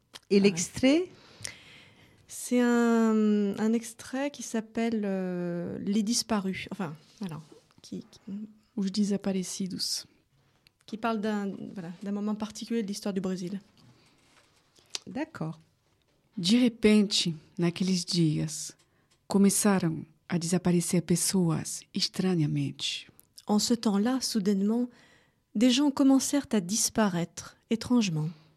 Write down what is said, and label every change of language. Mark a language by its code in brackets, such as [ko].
[fr] Et l'extrait ? C'est un extrait qui s'appelle Les Disparus. Enfin, voilà. Où je disais pas les si douces. Qui parle d'un moment particulier de l'histoire du Brésil. D'accord. [pt] De repente, naqueles dias, começaram a desaparecer pessoas estranhamente. [fr] En ce temps-là, soudainement, des gens commencèrent à disparaître étrangement.